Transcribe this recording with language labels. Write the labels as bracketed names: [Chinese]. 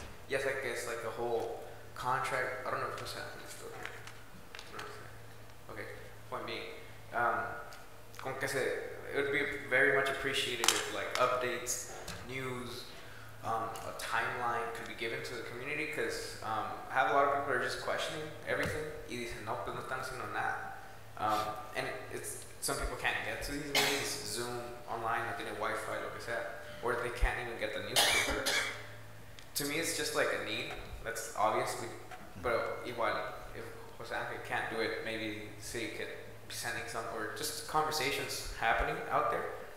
[English] Yes, I guess like the whole contract, I don't know if Jose Angel is still here. Okay, point being, [Spanish] como que se, [English] it would be very much appreciated if like updates, news, a timeline could be given to the community, because I have a lot of people are just questioning everything. [Spanish] Y dicen, no, pues no están haciendo nada. [English] And it's some people can't get to these meetings, Zoom, online, like any Wi-Fi, [Spanish] lo que sea, [English] or they can't even get the newspaper. To me, it's just like a need. That's obviously, but igual, if Jose Angel can't do it, maybe the city could be sending some, or just conversations happening out there.